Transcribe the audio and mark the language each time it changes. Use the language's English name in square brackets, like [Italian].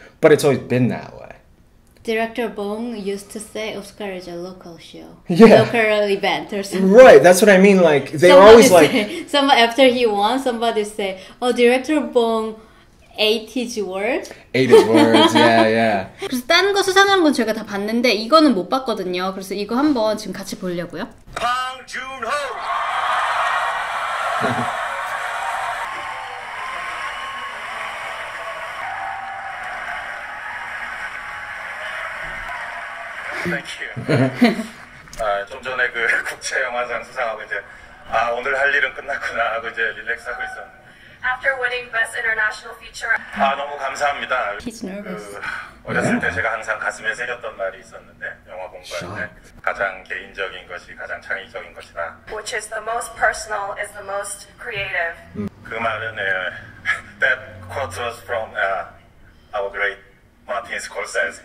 [English] But it's always been that way. Director Bong used to say Oscar is a local show. Yeah. Local event or something. Right, that's what I mean. Like, they were always say, like... Somebody, after he won, somebody say, oh, Director Bong ate his words. Ate his words, yeah, yeah. [Korean] 그래서 다른 거 수상한 건 제가 다 봤는데 이거는 못 봤거든요. 그래서 이거 한번 지금 같이 보려고요. 봉준호! [English] Thank you. [Korean] 아, 좀 전에 그 국제영화상 수상하고 이제 아 오늘 할 일은 끝났구나 하고 이제 릴렉스 하고 있었는데 [English] After winning Best International Feature. [Korean] 아 너무 감사합니다. [English] He's nervous. 그, [Korean] 어렸을 때 제가 항상 가슴에 새겼던 말이 있었는데 영화 공부할 때 가장 개인적인 것이 가장 창의적인 것이다. [English] Which is the most personal is the most creative. [Korean] 그 말은 [English] that quote was from our great Martin Scorsese.